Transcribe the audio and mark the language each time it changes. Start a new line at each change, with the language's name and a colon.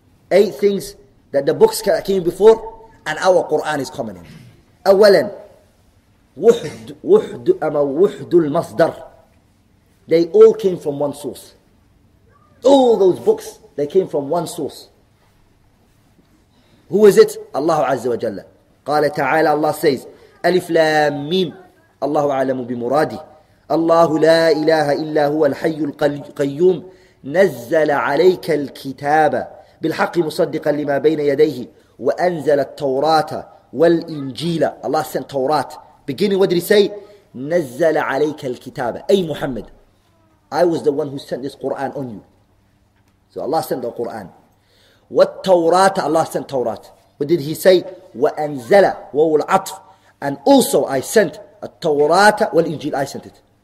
English: Eight things that the books that came before and our Quran is common in.
Arabic: Awalan, وحد المصدر.
English: They all came from one source. All those books, they came from one source. Who is it? Allah Azza wa Jalla.
Arabic: قال تعالى,
English: Allah says,
Arabic: ألف لام ميم, الله أعلم بمرادي. الله لا إله إلا هو الحي القيوم, نزل عليك الكتاب بالحق مصدقا لما بين يديه وأنزل التوراة والإنجيل.
English: Allah sent التوراة. Beginning, what did he say?
Arabic: نَزَّلَ عَلَيْكَ الْكِتَابَ.
English: Ay Muhammad, I was the one who sent this Qur'an on you. So Allah sent the Qur'an. وَالتَّوْرَاتَ, Allah sent Tawrat. What did he say?
Arabic: وَأَنْزَلَ وَهُ الْعَطْفِ,
English: and also I sent
Arabic: التَّوْرَاتَ وَالْإِنْجِيلِ,
English: I sent it.